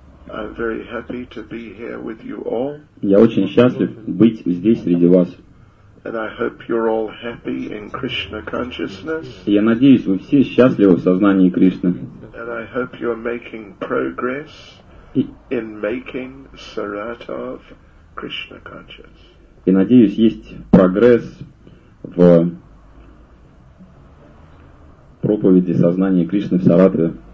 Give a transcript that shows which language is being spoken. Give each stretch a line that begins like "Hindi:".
English: I'm very happy to be here with you all.
Russian: Я очень счастлив быть здесь среди вас.
English: And I hope you're all happy in Krishna consciousness.
Russian: Я надеюсь, вы все счастливы в сознании Кришны.
English: And I hope you're making progress in making Saratov Krishna conscious.
Russian: И надеюсь, есть прогресс в проповеди сознания Кришны в Саратове.